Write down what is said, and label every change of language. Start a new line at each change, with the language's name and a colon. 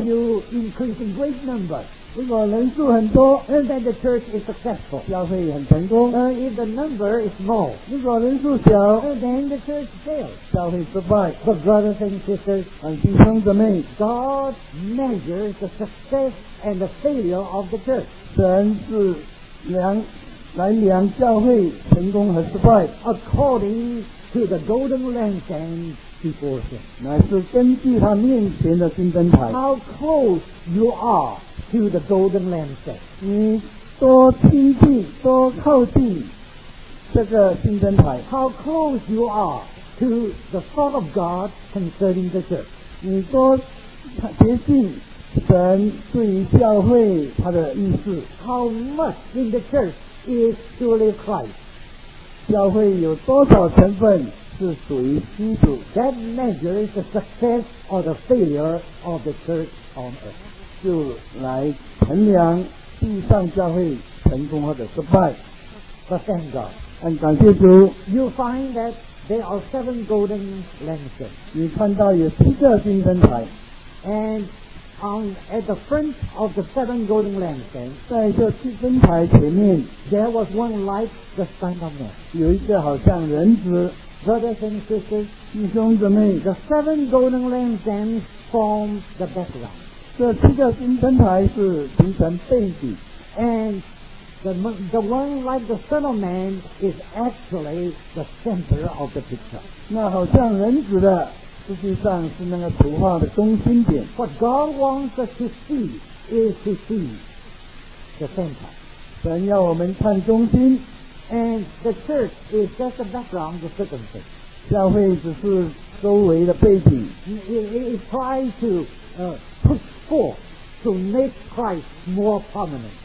English: If you increase in great number,
Chinese: 如果人数很多
English: then the church is successful.
Chinese: 教会很成功。
English: If the number is small,
Chinese: 如果人数小
English: then the church fails.
Chinese: 教会失败。
English: But brothers and sisters,
Chinese: 弟兄姊妹
English: God measures the success and the failure of the church.
Chinese: 神是来量教会成功和失败
English: according to the golden lampstand before him
Chinese: 乃是根据他面前的金灯台
English: how close you are to the golden lampstand
Chinese: 你多亲近多靠近这个金灯台
English: how close you are to the thought of God concerning the church
Chinese: 你多接近神对于教会他的意思
English: How much in the church is truly Christ?
Chinese: 教会有多少成分是属于基督
English: That measures the success or the failure of the church on earth
Chinese: 就来衡量地上教会成功或者失败
English: But thank God
Chinese: And 感谢主
English: You find that there are seven golden lampstands
Chinese: 你看到有七个金灯台
English: AndAt the front of the seven golden lampstands,
Chinese: 在这七根台前面
English: there was one like the Son of Man.
Chinese: 有一个好像人子
English: Brothers and sisters,
Chinese: 弟兄姊妹
English: the seven golden lampstands form the background.
Chinese: 这七个金灯台是形成背景
English: And the one like the Son of Man is actually the center of the picture.
Chinese: 那好像人子的实际上是那个图画的中心点。
English: What God wants us to see is to see the center.
Chinese: 神要我们看中心。
English: And the church is just the background, the circumstance.
Chinese: 教会只是周围的背景。
English: It tries to push forth to make Christ more prominent.